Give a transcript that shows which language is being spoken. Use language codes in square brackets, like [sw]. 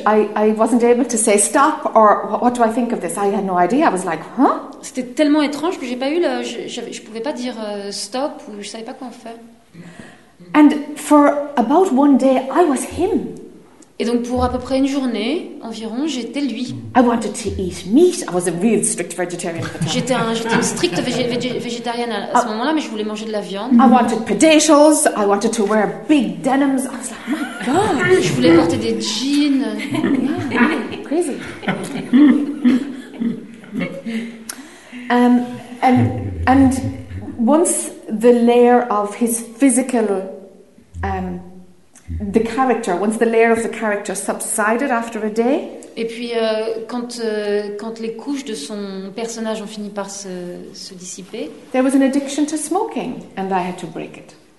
[en] I wasn't able to say stop or what do I think of this. I had no idea. I was like, huh? [fr] C'était tellement étrange que j'ai pas eu le. Je pouvais pas dire stop ou je savais pas quoi en faire. [en] And for about one day, I was him. [fr] Et donc pour à peu près une journée environ, j'étais lui. [en] I wanted to eat meat. I was a real strict vegetarian. [fr] J'étais une stricte végétarienne à ce moment-là, mais je voulais manger de la viande. [en] I wanted potatoes. I wanted to wear big denims. I was like, my God. [fr] Je voulais porter des jeans. [en] Yeah, crazy. And once the layer of his physical the character, once the layer of the character subsided after a day. [fr] Et puis, quand les couches de son personnage ont fini par se dissiper. [en] There was an addiction to smoking, and I had to break it.